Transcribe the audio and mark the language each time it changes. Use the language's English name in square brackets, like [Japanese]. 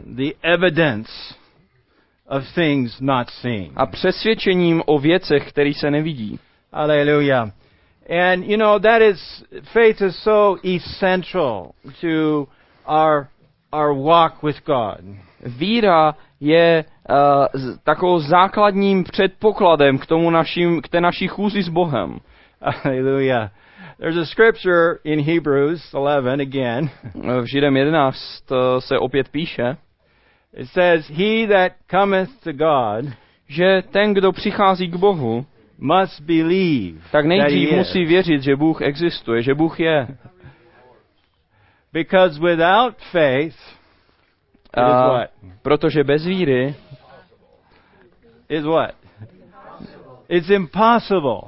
[English] The evidence of things not seen. [Czech] A přesvědčením o věcech, které se nevidí. Alleluja. [English] And you know that is faith is so essential to our walk with God. [Czech] Víra je takovým základním předpokladem k tomu našim, k té naší chůzi s Bohem. Alleluja. [English] There's a scripture in Hebrews 11 again. [Czech] V Židem 11 se opět píše. [English] It says he that cometh to God, [Czech] že ten, kdo přichází k Bohu, [English] must believe. [Czech] Tak nejdřív musí věřit, že Bůh existuje, že Bůh je. [English] Because without faith, [Czech] protože bez víry [English] is what? It's impossible.